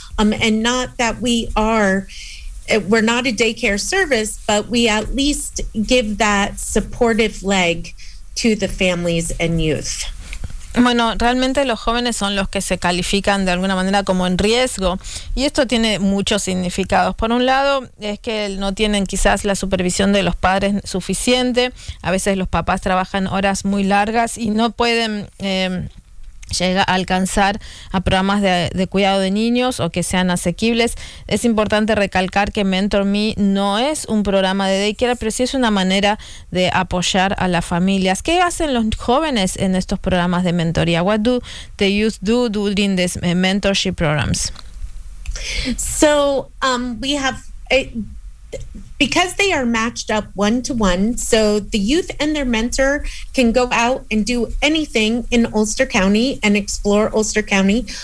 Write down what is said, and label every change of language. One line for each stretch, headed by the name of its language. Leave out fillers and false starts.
English: And not that we're not a daycare service, but we at least give that supportive leg to the families and youth.
Spanish: Bueno, realmente los jóvenes son los que se califican de alguna manera como en riesgo, y esto tiene muchos significados. Por un lado, es que no tienen quizás la supervisión de los padres suficiente. A veces los papás trabajan horas muy largas y no pueden llega a alcanzar a programas de cuidado de niños o que sean asequibles. Es importante recalcar que MentorMe no es un programa de daycare, pero sí es una manera de apoyar a las familias. ¿Qué hacen los jóvenes en estos programas de mentoría?
English: What do the youth do during these mentorship programs? So we have, because they are matched up one-to-one, so the youth and their mentor can go out and do anything in Ulster County and explore Ulster County.